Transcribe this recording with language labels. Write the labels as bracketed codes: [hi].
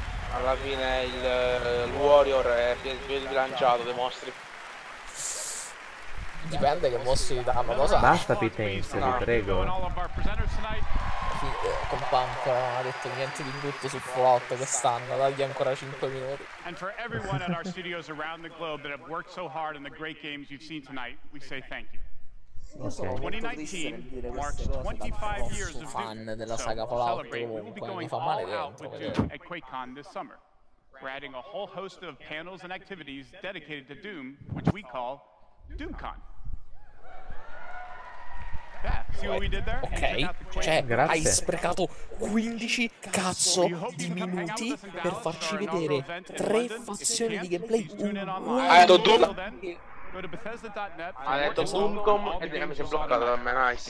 [it] Alla fine il Warrior è più sbilanciato dei mostri. Dipende che mostri gli danno, cosa? Basta Pitense, vi prego. Sì, con Punk non ha detto niente di brutto su Flot quest'anno, dagli ancora 5 minuti. [en] And for everyone at our studios around the globe that have worked so hard in the great games you've seen tonight, we say thank you. Okay. 2019 marks 25 years of fun [it] della saga Fallout. Mi fa male dentro. [en] At QuakeCon this summer, we're adding a whole host of panels and activities dedicated to Doom, which we call DoomCon. [it] Ok, cioè grazie. Hai sprecato 15 cazzo di minuti per farci vedere tre fazioni di gameplay. [en] Go to Bethesda.net. [it] Ha detto Doomcom e mi si è bloccato da me, nice.